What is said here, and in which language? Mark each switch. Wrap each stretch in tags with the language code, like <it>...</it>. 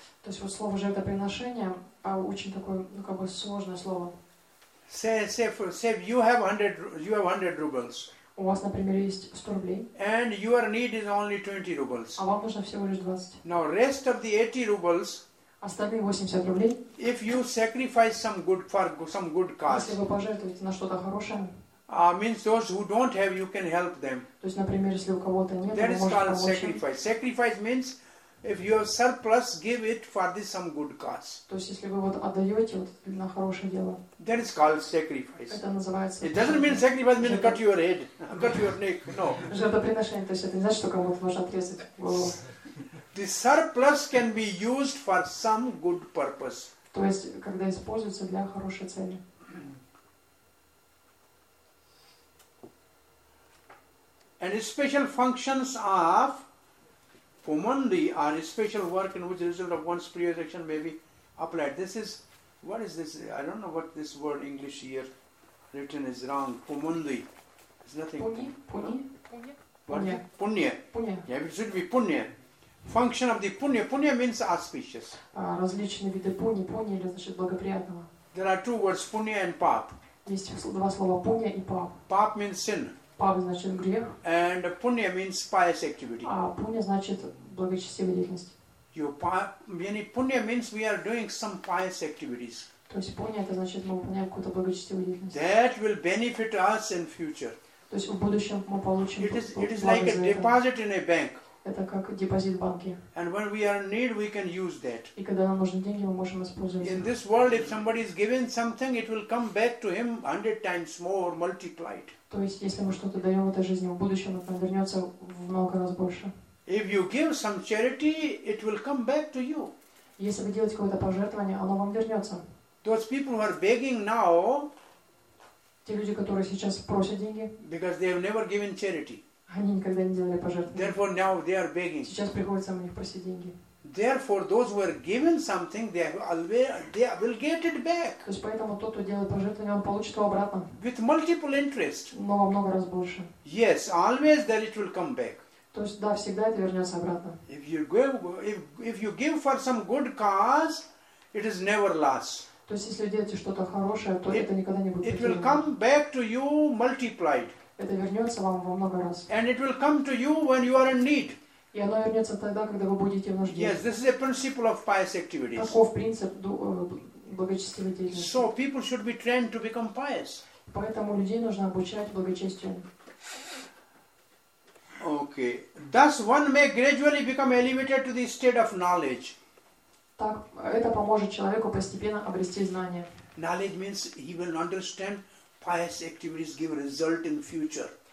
<ru>То есть вот слово жертвоприношение, очень такое, ну как бы сложное слово.</ru> <en>Say you have 100 rubles.</en> <ru>У вас, например, есть 100 рублей.</ru> <en>And your need is only 20 rubles.</en> <ru>А вам нужно всего лишь 20.</ru> <en>Now rest of the 80 rubles.</en> <ru>Остальные 80 рублей.</ru> <en>If you sacrifice some good for some good cause.</en> <ru>Если вы пожертвуете на что-то хорошее.</ru> <en>Means those who don't have, you can help them.</en> <ru>То есть, например, если у кого-то нет,</ru> <en>that is called sacrifice. Sacrifice means if you have surplus, give it for this some good cause.</en> <ru>То есть, если вы вот отдаете вот на хорошее дело.</ru> <en>That is called sacrifice.</en> <ru>Это называется.</ru> <en>It doesn't mean sacrifice means cut your head, cut your neck. No.</en> <ru>Жертвоприношение, то есть это не значит, что кому-то нужно отрезать голову.</ru> <en>The surplus can be used for some good purpose.</en> <ru>То есть, когда используется для хорошей цели.</ru> <en>And special functions of Pumandi are a special work in which the result of one's previous action may be applied. This is, what is this? I don't know what this word English here written is wrong. Pumandi. It's nothing. Punya. Punya. Punya. Yeah, it should be Punya. Function of the Punya. Punya means auspicious.</en> <ru>Различные виды Пуни. Пуни или значит благоприятного.</ru> <en>There are two words, Punya and Pap.</en> <ru>Есть два слова, Пуня и Пап.</ru> <en>Pap means sin.</en> <ru>Пап значит грех.</ru> <en>And Punya means pious activity.</en> <ru>А Пуня значит благочестивая деятельность.</ru> <en>Punya means we are doing some pious activities.</en> <ru>То есть Пуня это значит мы выполняем какую-то благочестивую деятельность.</ru> <en>That will benefit us in future.</en> <ru>То есть в будущем мы получим.</ru> <en>It is like a deposit in a bank.</en> <ru>Это как депозит в банке.</ru> <en>And when we are in need, we can use that.</en> <ru>И когда нам нужны деньги, мы можем использовать.</ru> <en>In this world, if somebody is given something, it will come back to him 100 times more, multiplied.</en> <ru>То есть, если мы что-то даем в этой жизни, в будущем это вернется в много раз больше.</ru> <en>If you give some charity, it will come back to you.</en> <ru>Если вы делаете какое-то пожертвование, оно вам вернется.</ru> <en>Those people who are begging now.</en> <ru>Те люди, которые сейчас просят деньги.</ru> <en>Because they have never given charity.</en> <ru>Они никогда не делали пожертвования.</ru> <en>Therefore now they are begging.</en> <ru>Сейчас приходится у них просить деньги.</ru> <en>Therefore those who are given something, they will get it back.</en> <ru>То есть поэтому тот, кто делает пожертвование, он получит его обратно.</ru> <en>With multiple interest.</en> <ru>Но во много раз больше.</ru> <en>Yes, always that it will come back.</en> <ru>То есть да, всегда это вернется обратно.</ru> <en>If you give for some good cause, it is never lost.</en> <ru>То есть если вы делаете что-то хорошее, то это никогда не будет потеряно.</ru> <en>It will come back to you multiplied.</en> <ru>Это вернется вам во много раз.</ru> <en>And it will come to you when you are in need.</en> <ru>И оно вернется тогда, когда вы будете в нужде.</ru> <en>Yes, this is a principle of pious activities.</en> <ru>Таков принцип благочестивой деятельности.</ru> <en>So people should be trained to become pious.</en> <ru>Поэтому людей нужно обучать благочестию.</ru> <en>Okay. Okay. Thus one may gradually become elevated to the state of knowledge.</en> <ru>Так это поможет человеку постепенно обрести знание.</ru> <en>Knowledge means he will understand pious activities give result in future.</en>